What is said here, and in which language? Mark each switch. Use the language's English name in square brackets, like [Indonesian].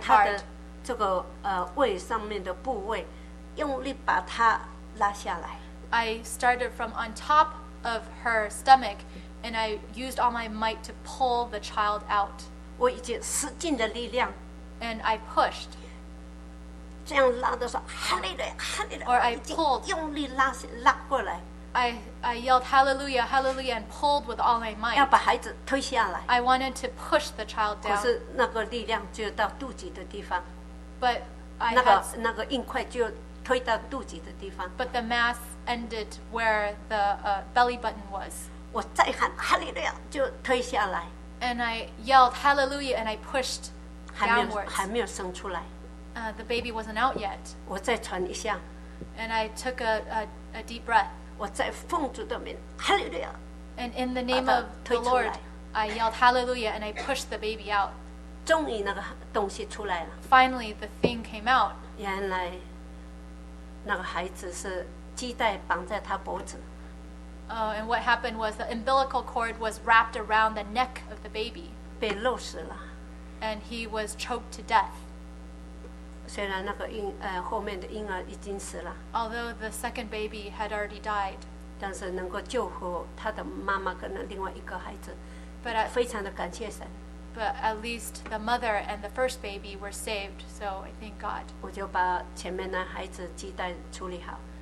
[Chinese] 从他的这个胃上面的部位，用力把它拉下来。 [English] I started from on top of her stomach, and I used all my might to pull the child out. [Chinese] 我已经使尽了力量。 [English] And I pushed. [Chinese] 这样拉的时候，哈利路亚，哈利路亚， [English] or I pulled, [Chinese] 已经用力拉过来。 [English] I yelled hallelujah, hallelujah, and pulled with all my might. [Chinese] 要把孩子推下来。 [English] I wanted to push the child down. [Chinese] 可是那个力量就到肚脐的地方。 [English] But [Chinese] 那个硬块就推到肚脐的地方。 [English] But the mass ended where the belly button was. [Chinese] 我再喊哈利路亚就推下来。 [English] And I yelled hallelujah, and I pushed downwards. [Chinese] 还没有生出来。 [English] The baby wasn't out yet. [Chinese] 我再喘一下。 [English] And I took a deep breath. [Chinese] 我在奉主的名，哈利路亚。 [English] And in the name of the Lord, I yelled hallelujah and I pushed the baby out. [Chinese] 终于那个东西出来了。 [English] Finally, the thing came out. [Chinese] 原来那个孩子是系带绑在他脖子。 [English] And what happened was the umbilical cord was wrapped around the neck of the baby. [Chinese] 被勒死了。 [English] And he was choked to death. [Chinese] 虽然那个后面的婴儿已经死了 [English] although the second baby had already died [Chinese] 但是能够救活他的妈妈跟另外一个孩子 [English] but [Chinese] 非常的感谢神 [English] but at least the mother and the first baby were saved, so I thank God. [Chinese] 我就把前面那孩子鸡蛋处理好。